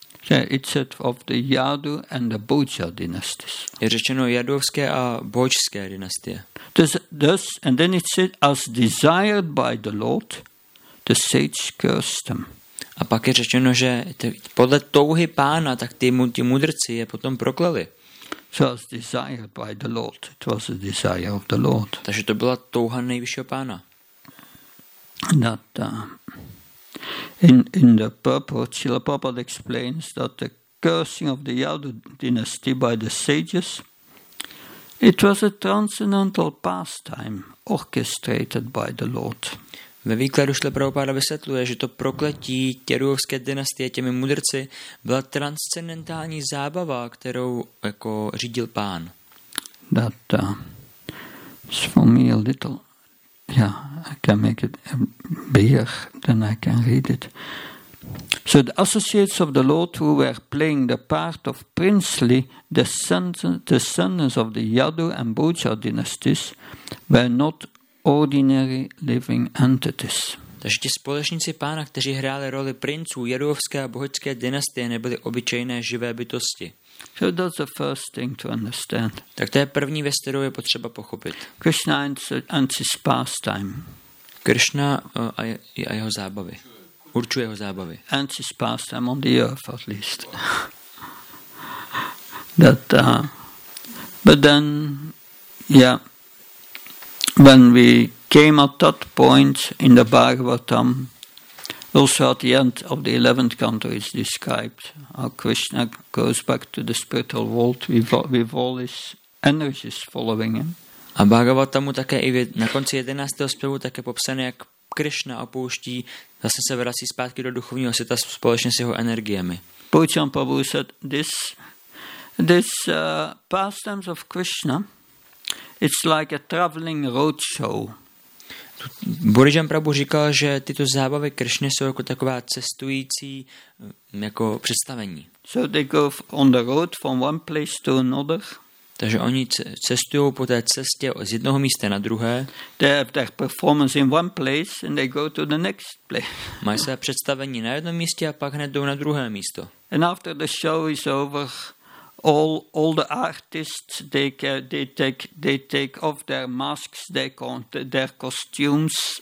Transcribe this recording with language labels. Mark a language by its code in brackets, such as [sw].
[en] Yeah, it said of the Yadu and the Bhojsa dynasties. [cs] Je řečeno Yadovské a Bhojské dynastie. [en] Thus, and then it said, as desired by the Lord, the sage cursed them. [cs] A pak je řečeno, že podle touhy pána, tak ti mudrci je potom proklali. [en] So as desired by the Lord, it was a desire of the Lord. [cs] Takže to byla touha nejvyššího pána. [en] That in the purport, Srila Prabhupada explains that the cursing of the Yadu dynasty by the sages, it was a transcendental pastime orchestrated by the Lord. [cs] Ve výkladu Srila Prabhupada vysvětluje, že to prokletí Yadovské dynastie těmi mudrci byla transcendentální zábava, kterou jako řídil pán. [en] That for me a little, yeah, I can make it bigger, then I can read it. So the associates of the Lord who were playing the part of princely descendants of the Yadu and Bhojsa dynasties were not ordinary living entities. [cs] Takže ti společníci pána, kteří hráli roli princů Yadovské a Bhojské dynastie, nebyly obyčejné živé bytosti. [en] So that's the first thing to understand. [cs] Tak to je první věc, kterou je potřeba pochopit. [en] Krishna and his pastime. [cs] Krishna a jeho zábavy. Určuje jeho zábavy. [en] And his pastime on the earth at least. That, but then, yeah. When we came at that point in the Bhagavatam, also at the end of the 11th canto is described how Krishna goes back to the spiritual world with all his energies following him. [cs] A Bhagavatamu také i na konci 11. zpěvu také popsané, jak Krishna opouští, zase se vrací zpátky do duchovního světa společně s jeho energiemi. [en] Bhujcham Prabhu said this pastimes of Krishna, it's like a traveling road show. [cs] Bhujcham Prabhu říkal, že tyto zábavy Krishny jsou jako taková cestující jako představení. [en] So they go on the road from one place to another. [cs] Takže oni cestují po té cestě z jednoho místa na druhé. [en] They have their performance in one place and they go to the next place. [cs] Mají své představení na jednom místě a pak hned jdou na druhé místo. [en] And after the show is over, all the artists they take off their masks, their costumes.